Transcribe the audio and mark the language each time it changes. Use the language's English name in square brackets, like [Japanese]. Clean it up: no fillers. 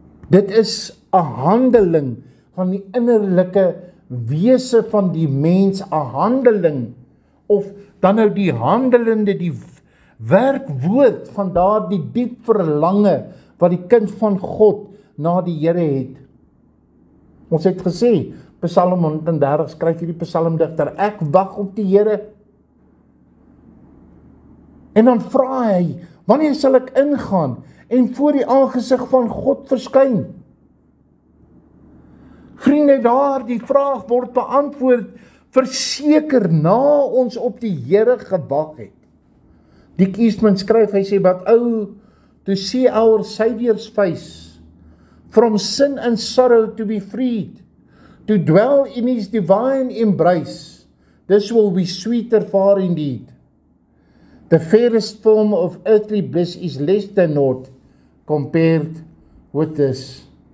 [Afrikaans] Dit is 'n handeling van die innerlike wese van die mens, 'n handeling, of dan nou die handelende, die werkwoord van daar die diep verlange wat die kind van God na die Here het. Ons het gesê, Psalm 130 skryf hierdie psalmdigter, ek wag op die Here. En dan vra hy, wanneer sal ek ingaan en voor die aangesig van God verskyn? Vriende, daar die vraag word beantwoord, verseker na ons op die Here gewag het. Die Eastman skryf, hy sê, [English] but oh, to see our Savior's face, from sin and sorrow to be freed, to dwell in his divine embrace, this will be sweeter far indeed. The fairest form of earthly bliss is less than naught compared with this.